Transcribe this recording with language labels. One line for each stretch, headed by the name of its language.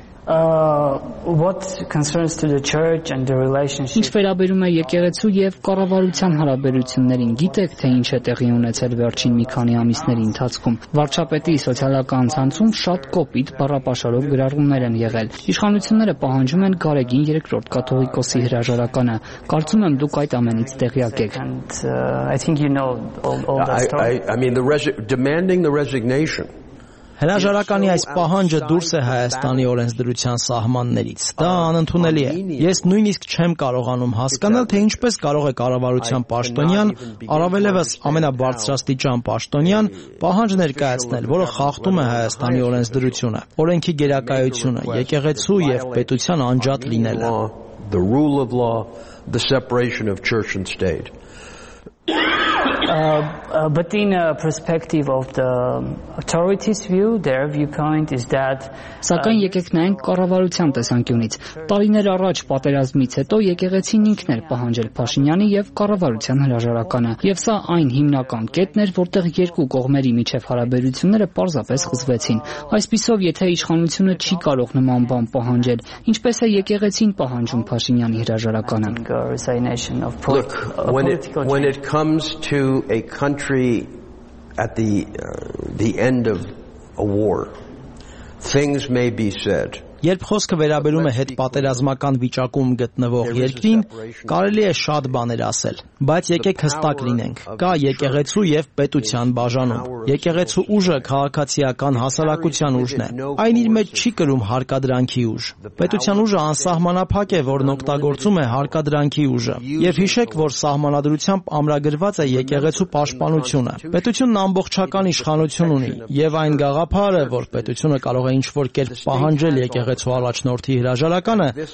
English: What concerns to the church and the relationship?
Armenian: Ինչ վերաբերում է եկեղեցու եւ կառավարության հարաբերություններին, գիտեք թե ինչ է տեղի ունեցել վերջին մի քանի ամիսների ընթացքում։ Վարչապետի սոցիալական ցանցում շատ կոպիտ բառապաշարով գրառումներ են եղել։ Իշխանությունները պահանջում են Գարեգին 3-րդ կաթողիկոսի հրաժարականը։ Կարծում եմ դուք այդ ամենից տեղյակ եք։
English: I think you know all the story. I mean demanding the resignation.
Armenian: Հրաժարականի այս պահանջը դուրս է Հայաստանի օրենսդրության սահմաններից։ Դա անընդունելի է։ Ես նույնիսկ չեմ կարողանում հասկանալ, թե ինչպես կարող է կառավարության պաշտոնյան, առավելևս ամենաբարձրաստիճան պաշտոնյան, պահանջ ներկայացնել, որը խախտում է Հայաստանի օրենսդրությունը, օրենքի գերակայությունը, եկեղեցու և պետության անջատ լինելը։
English: But in a perspective of the authorities' view, their viewpoint is that.
Armenian: Սակայն եկեք նայենք կառավարության տեսանկյունից։ Տարիներ առաջ պատերազմից հետո եկեղեցին ինքն էր պահանջել Փաշինյանի և կառավարության հրաժարականը, և սա այն հիմնական կետն էր, որտեղ երկու կողմերի միջև հարաբերությունները պարզապես խզվեցին։ Այսպիսով, եթե իշխանությունը չի կարող նման բան պահանջել, ինչպես է եկեղեցին պահանջում Փաշինյանի հրաժարականը։
English: Look, when it comes to a country at the end of a war, things may be said.
Armenian: Երբ խոսքը վերաբերում է հետ պատերազմական վիճակում գտնվող երկրին, կարելի է շատ բաներ ասել, բայց եկեք հստակ լինենք, կա եկեղեցու և պետության բաժանում։ Եկեղեցու ուժը քաղաքացիական հասարակության ուժն է, այն իր մեջ չի կրում հարկադրանքի ուժ։ Պետության ուժը անսահմանափակ է, որն օգտագործում է հարկադրանքի ուժը, և հիշեք, որ սահմանադրությամբ ամրագրված է եկեղեցու պաշտպանությունը։ Պետությունն ամբողջական իշխանություն ունի, և այն գաղափարը, որ պետությունը կարող է ինչ-որ կերպ պահանջել եկեղեցու առաջնորդի հրաժարականը,